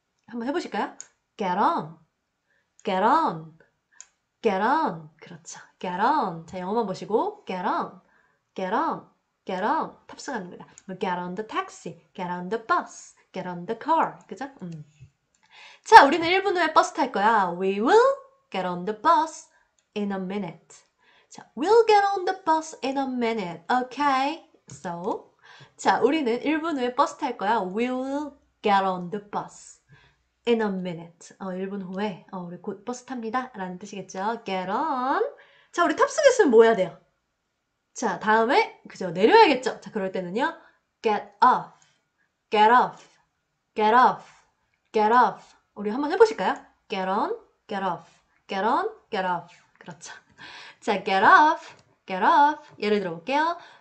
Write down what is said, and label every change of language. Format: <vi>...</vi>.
<ko>한번 해보실까요?</ko> <en>Get on. Get on. Get on.</en> <ko>그렇죠.</ko> <en>Get on.</en> <ko>자, 영어만 보시고.</ko> <en>Get on. Get on. Get on.</en> <ko>탑승하는 겁니다.</ko> <en>Get on the taxi. Get on the bus. Get on the car.</en> <ko>그죠? 자, 우리는 1분 후에 버스 탈 거야.</ko> <en>We will get on the bus in a minute. 자, we'll get on the bus in a minute. Okay.</en> <ko>So, 자, 우리는 1분 후에 버스 탈 거야.</ko> <en>We will get on the bus in a minute.</en> <ko>1분 후에 우리 곧 버스 탑니다. 라는 뜻이겠죠.</ko> <en>Get on.</en> <ko>자, 우리 탑승했으면 뭐 해야 돼요? 자, 다음에 그죠. 내려야겠죠. 자, 그럴 때는요.</ko> <en>Get off. Get off. Get off. Get off.</en> <ko>우리 한번 해보실까요?</ko> <en>Get on. Get off. Get on. Get off.</en> <ko>그렇죠.</ko> <en>자, get off. Get off.</en> <ko>예를 들어볼게요.</ko>